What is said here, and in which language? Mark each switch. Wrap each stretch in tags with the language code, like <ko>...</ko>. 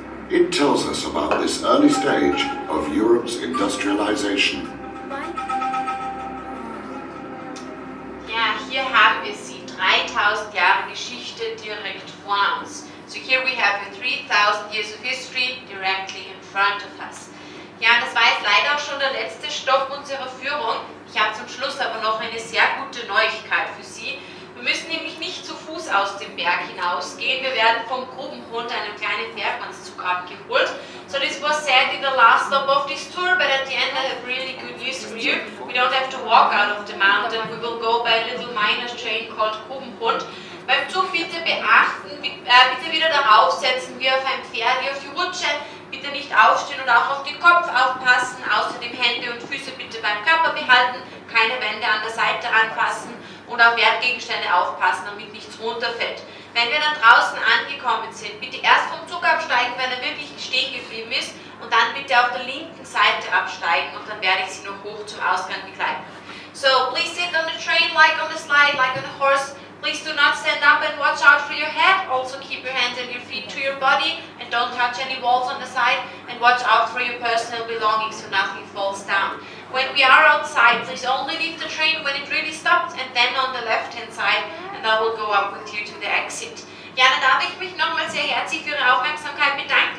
<en>It tells us about this early stage of Europe's industrialization.</en> <de>Ja, hier haben wir sie, 3000 Jahre Geschichte direkt vor uns.</de> <en>So here we have 3000 years of history directly in front of us.</en> <de>Ja, das war jetzt leider auch schon der letzte Stopp unserer Führung. Ich habe zum Schluss aber noch eine sehr gute Neuigkeit für Sie. Wir müssen nämlich nicht zu Fuß aus dem Berg hinausgehen. Wir werden vom Grubenhund einem kleinen Bergmannszug abgeholt.</de> <en>So this was sadly the last stop of this tour, but at the end I have really good news for you. We don't have to walk out of the mountain. We will go by a little minor train called Grubenhund.</en> <de>Beim Zug bitte beachten, bitte wieder darauf setzen wie auf ein Pferd, wie auf die Rutsche. Bitte nicht aufstehen und auch auf den Kopf aufpassen. Außerdem Hände und Füße bitte beim Körper behalten. Keine Wände an der Seite anfassen. Und auf Wertgegenstände aufpassen, damit nichts runterfällt. Wenn wir dann draußen angekommen sind, bitte erst vom Zug absteigen, wenn er wirklich stehen geblieben ist. Und dann bitte auf der linken Seite absteigen und dann werde ich Sie noch hoch zum Ausgang begleiten.</de> <en>So, please sit on the train like on the slide, like on the horse. Please do not stand up and watch out for your head. Also keep your hands and your feet to your body and don't touch any walls on the side. And watch out for your personal belongings so nothing falls down. When we are outside, please only leave the train when it really stops and then on the left-hand side and I will go up with you to the exit.</en> <de>Ja, dann darf ich mich nochmal sehr herzlich für Ihre Aufmerksamkeit bedanken.</de>